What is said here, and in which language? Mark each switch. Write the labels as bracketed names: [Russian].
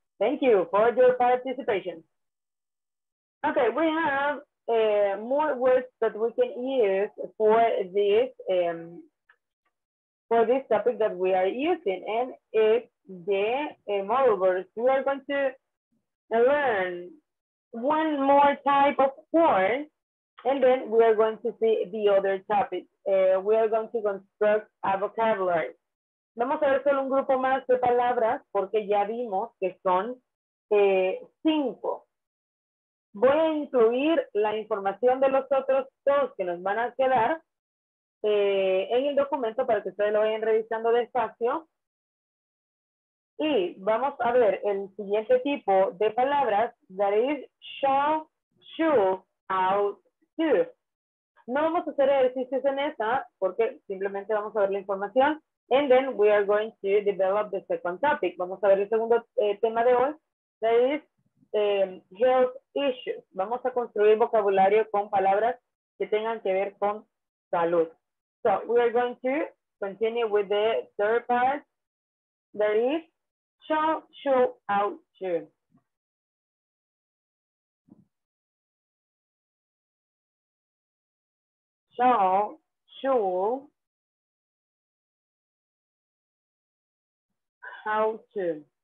[English] Thank you for your participation. Okay, we have more words that we can use for this topic that we are using, and it's the modal verbs. We are going to learn one more type of form, and then we are going to see the other topic. We are going to construct a vocabulary. [Spanish] Vamos a ver solo un grupo más de palabras porque ya vimos que son cinco. Voy a incluir la información de los otros dos que nos van a quedar en el documento para que ustedes lo vayan revisando despacio. Y vamos a ver el siguiente tipo de palabras, [English] that is, shall, should, out, to. [Spanish] No vamos a hacer ejercicios en esa porque simplemente vamos a ver la información. [English] And then we are going to develop the second topic. [Spanish] Vamos a ver el segundo tema de hoy, [English] that is, health issues. [Spanish] Vamos a construir vocabulario con palabras que tengan que ver con salud. [English] So, we are going to continue with the third part, that is, shall, should, out, to. Shall, should, how to.